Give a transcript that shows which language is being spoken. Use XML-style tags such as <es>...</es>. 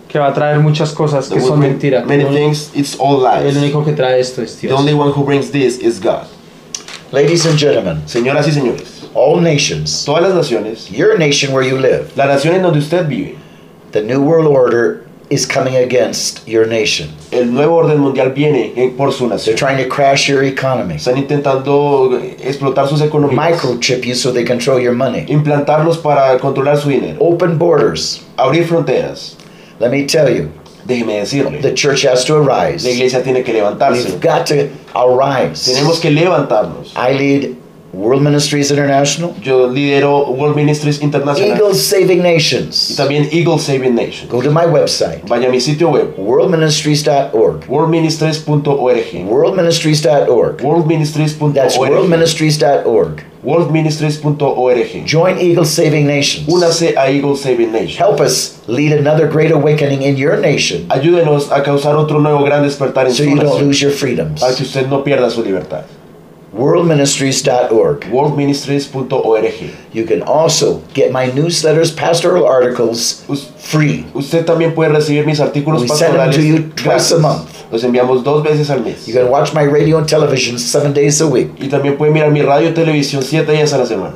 <es>Que va a traer muchas cosas que son mentiras.</es> <en>Many things, it's all lies.</en> <es>El único que trae esto es Dios.</es> <en>The only one who brings this is God. Ladies and gentlemen.</en> <es>Señoras y señores.</es> <en>All nations.</en> <es>Todas las naciones.</es> <en>Your nation where you live.</en> <es>La nación en donde usted vive.</es> <en>The new world order is coming against your nation.</en> <es>El nuevo orden mundial viene por su nación.</es> <en>They're trying to crash your economy.</en> <es>Están intentando explotar sus economías.</es> <en>Microchip you so they control your money.</en> <es>Implantarlos para controlar su dinero.</es> <en>Open borders.</en> <es>Abrir fronteras.</es> <en>Let me tell you.</en> <es>Déjeme decirle.</es> <en>The church has to arise.</en> <es>La iglesia tiene que levantarse.</es> <en>We've got to arise.</en> <es>Tenemos que levantarnos.</es> <en>I lead World Ministries International.</en> <es>Yo lidero World Ministries International.</es> <en>Eagle Saving Nations.</en> <es>Y también Eagle Saving Nations.</es> <en>Go to my website.</en> <es>Vaya a mi sitio web.</es> <en>WorldMinistries.org. WorldMinistries.org. WorldMinistries.org. WorldMinistries.org. That's WorldMinistries.org. WorldMinistries.org. Join Eagle Saving Nations.</en> <es>Únase a Eagle Saving Nations.</es> <en>Help us lead another great awakening in your nation.</en> <es>Ayúdenos a causar otro nuevo gran despertar en su nación.</es> <en>So you don't lose your freedoms.</en> <es>Para que usted no pierda su libertad.</es> <en>WorldMinistries.org. WorldMinistries.org. You can also get my newsletters, pastoral articles, free.</en> <es>Usted también puede recibir mis artículos</es> <en>we</en> <es>pastorales.</es> <en>We send them to you twice a month.</en> <es>Los enviamos dos veces al mes.</es> <en>You can watch my radio and television 7 days a week.</en> <es>Y también puede mirar mi radio y televisión 7 días a la semana.</es>